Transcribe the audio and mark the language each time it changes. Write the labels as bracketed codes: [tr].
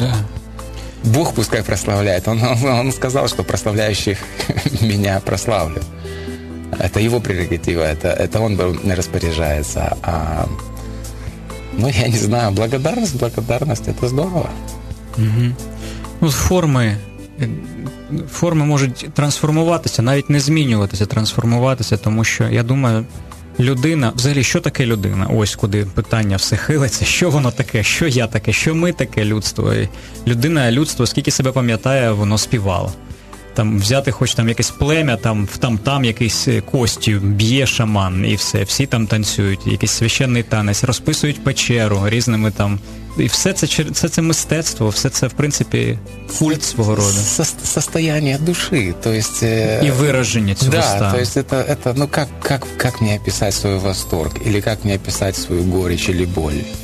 [ru] Да. Бог пускай прославляет. Он сказал, что прославляющих меня прославлю. Это его прерогатива, это он распоряжается. А, ну, я не знаю, благодарность, это здорово. Угу. [uk] Ну, форми можуть трансформуватися, навіть не змінюватися, трансформуватися, тому що, я думаю, людина, взагалі, що таке людина? Ось куди питання все хилиться, що воно таке, що я таке, що ми таке, людство? І людина, людство, скільки себе пам'ятає, воно співало. Там взяти хоч там якесь плем'я, там якийсь кості б'є шаман і все, всі там танцюють, якийсь священний танець, розписують печеру різними там. І все це мистецтво, все це, в принципі, культ свого роду. [ru] Состояние души, то есть, [uk] і вираження цього, [ru] да, [uk] стану. [ru] То есть это, ну, как мне описать свой восторг, или как мне описать свою горечь или боль?